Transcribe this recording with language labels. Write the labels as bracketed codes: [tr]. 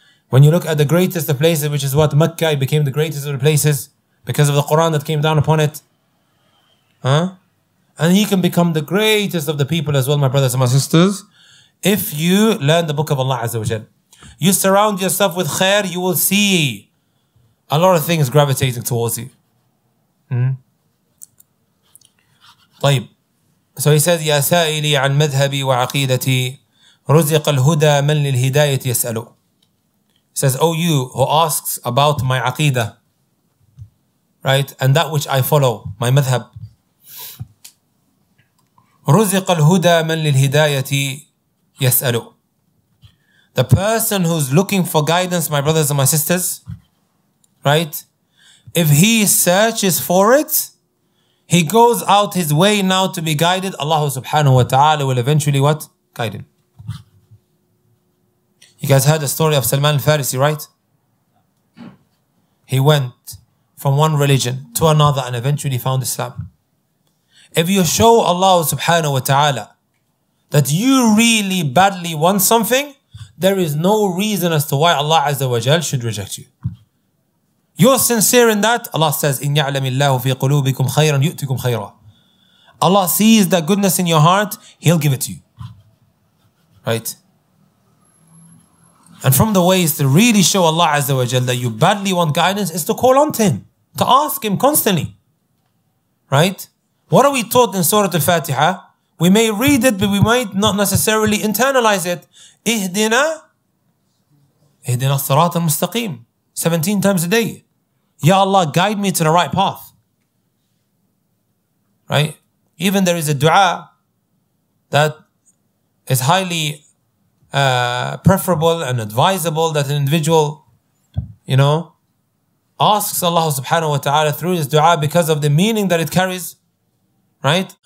[en] When you look at the greatest of places, which is what, Mecca, he became the greatest of the places because of the Quran that came down upon it. Huh? And he can become the greatest of the people as well, my brothers and my sisters, if you learn the book of Allah azza wa jal. You surround yourself with khair, you will see a lot of things gravitating towards you. [ar] طيب. [en] So he says, [ar] يَا سَائِلِي عَنْ مَذْهَبِي وَعَقِيدَتِي رُزِقَ الْهُدَى مَنْ لِلْهِدَايَةِ يَسْأَلُ. [en] He says, oh you who asks about my aqeedah, right, and that which I follow, my madhab. [ar] رُزِقَ الْهُدَى مَنْ لِلْهِدَايَةِ يَسْأَلُ. [en] The person who's looking for guidance, my brothers and my sisters, right, if he searches for it, he goes out his way now to be guided, Allah subhanahu wa ta'ala will eventually what? Guide him. You guys heard the story of Salman al-Farisi, right? He went from one religion to another and eventually found Islam. If you show Allah subhanahu wa ta'ala that you really badly want something, there is no reason as to why Allah azza wa jal should reject you. You're sincere in that. Allah says, [ar] إِنْ يَعْلَمِ اللَّهُ فِي قُلُوبِكُمْ خَيْرًا يُؤْتِكُمْ خَيْرًا. [en] Allah sees that goodness in your heart, He'll give it to you. Right? And from the ways to really show Allah Azza wa Jalla that you badly want guidance is to call on to Him, to ask Him constantly. Right? What are we taught in Surah Al-Fatiha? We may read it, but we might not necessarily internalize it. [ar] إِهْدِنَا إِهْدِنَا الصِّرَاطَ الْمُسْتَقِيمِ [en] 17 times a day. Ya Allah, guide me to the right path. Right? Even there is a dua that is highly preferable and advisable that an individual, you know, asks Allah subhanahu wa ta'ala through this dua because of the meaning that it carries. Right?